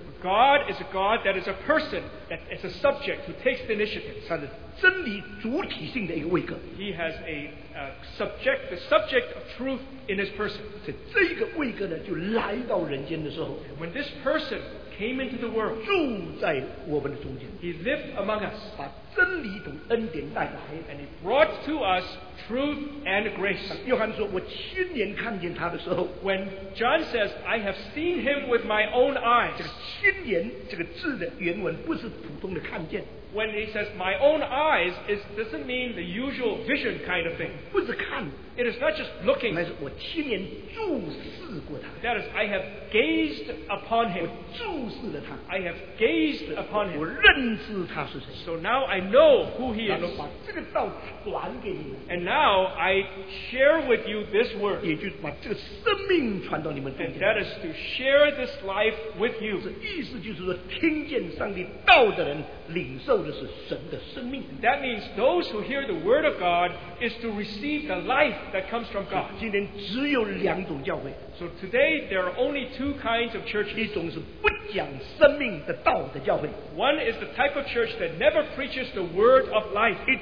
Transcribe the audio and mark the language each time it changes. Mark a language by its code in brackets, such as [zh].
[en] God is a God that is a person, that is a subject who takes the initiative. He has the subject of truth in his person. [zh] 这个位格呢,就来到人间的时候, [en] when this person came into the world, [zh] 住在我们的中间, [en] he lived among us, [zh] 把真理同恩典带来, [en] and he brought to us truth and grace. [zh] 约翰说,我亲眼看见他的时候, [en] when John says, I have seen him with my own eyes, [zh] 这个亲眼,这个字的原文不是普通的看见, [en] when he says, my own eyes, it doesn't mean the usual vision kind of thing. [zh] 不是看, [en] it is not just looking. [zh] 乃是我亲眼注视过他, [en] that is, I have gazed upon him. [zh] 我注视了他, [en] I have gazed upon him. [zh] 我认识他是谁, [en] so now I know who he is. [zh] 然后把这个道传给你, [en] and now I share with you this word. [zh] 也就把这个生命传到你们中间, [en] and that is to share this life with you. [zh] 意思就是说听见上帝道的人领受, [en] that means those who hear the word of God is to receive the life that comes from God. [zh] 今天只有两种教会, [en] so today there are only two kinds of churches. [zh] 一种是不讲生命的道的教会, [en] one is the type of church that never preaches the word of life.